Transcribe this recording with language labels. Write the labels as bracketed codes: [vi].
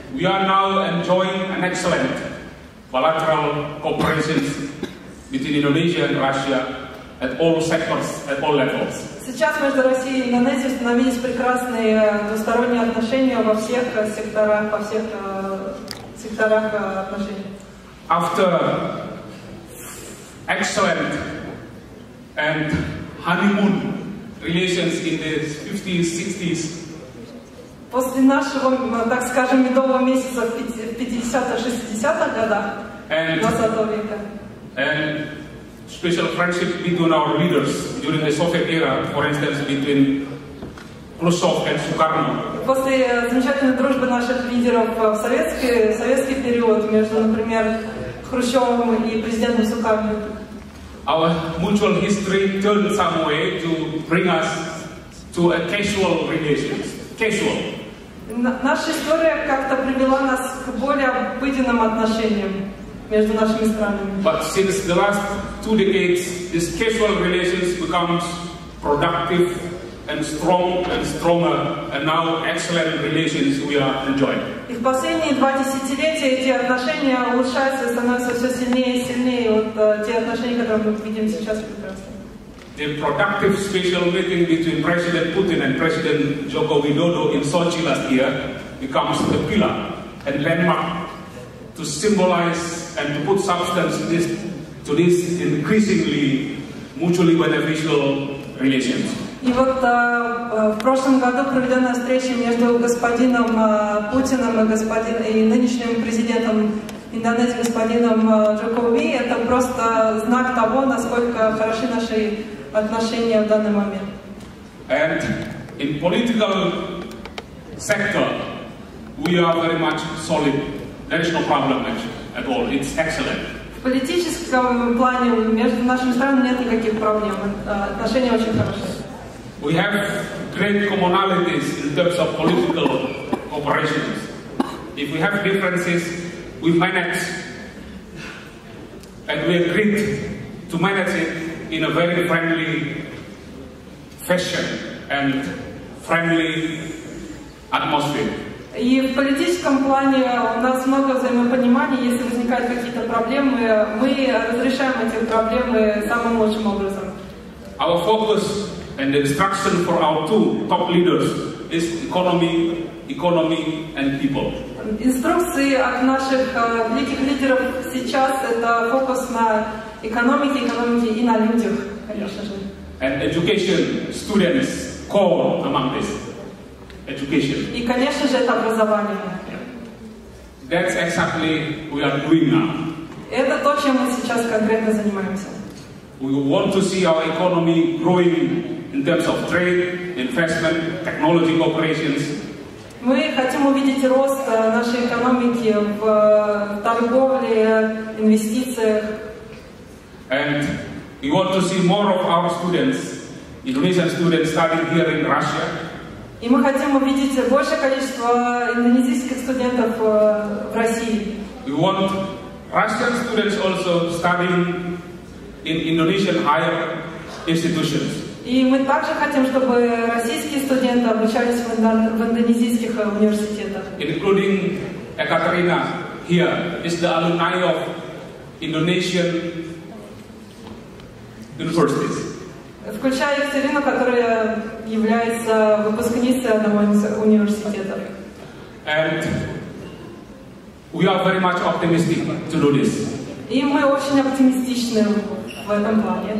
[en] We are now enjoying an excellent bilateral cooperation between Indonesia and Russia at all sectors, at all levels. [ru] Сейчас между Россией и Индонезией установились прекрасные двусторонние отношения во всех секторах, по всех секторах отношений. [en] After excellent and honeymoon relations in the 50s, 60s, [ru] после нашего, так скажем, медового месяца в 50-60-х годах 20 века, [en] and special friendship between our leaders during the Soviet era, for instance, between Rostov and Sukarno. [ru] После замечательной дружбы наших лидеров в советский период между, например, Хрущевым и президентом Сукарно. [en] Our mutual history turned some way to bring us to a casual relations. Casual. [ru] Наша история как-то привела нас к более обыденным отношениям между нашими странами. [en] But since the last two decades, this casual relations becomes productive and strong and stronger, and now excellent relations we are enjoying. [ru] И в последние два десятилетия эти отношения улучшаются, становятся все сильнее и сильнее. Вот те отношения, которые мы видим сейчас, прекрасно. [en] The productive special meeting between President Putin and President Joko Widodo in Sochi last year becomes a pillar and landmark to symbolize and to put substance to this increasingly mutually beneficial relations. [ru] И вот в прошлом году проведена встреча между господином Путиным и нынешним президентом Индонезии господином Джокови, это просто знак того, насколько хороши наши отношения в данный момент. [en] And in political sector, we are very much solid. There is no problem at all. It's excellent. [ru] В политическом плане между нашими странами нет никаких проблем. Отношения очень хорошие. [en] We have great commonalities in terms of political cooperation. If we have differences, we manage, and we agreed to manage it in a very friendly fashion and friendly atmosphere. [ru] И в политическом плане у нас много взаимопонимания. Если возникают какие-то проблемы, мы разрешаем эти проблемы самым лучшим образом. [en] Our focus and the instruction for our two top leaders is economy and people. [ru] Инструкции от наших великих лидеров сейчас это фокус на экономике и на людях, конечно же. [en] And education, students, core among this. Education. [ru] И, конечно же, это образование. [en] Yeah. That's exactly we are doing now. [ru] Это то, чем мы сейчас конкретно занимаемся. [en] We want to see our economy growing in terms of trade, investment, technology operations. [ru] Мы хотим увидеть рост нашей экономики в торговле, инвестициях. [en] And we want to see more of our students, Indonesian students, studying here in Russia. [ru] И мы хотим увидеть большее количество индонезийских студентов в России. [en] We want Russian students also studying in Indonesian higher institutions. [ru] И мы также хотим, чтобы российские студенты обучались в индонезийских университетах. [en] Including Екатерина here is the alumni of Indonesian universities. [ru] Включая Екатерину, которая является выпускницей одного из университетов. [en] And we are very much optimistic to do this. [ru] И мы очень оптимистичны в этом плане.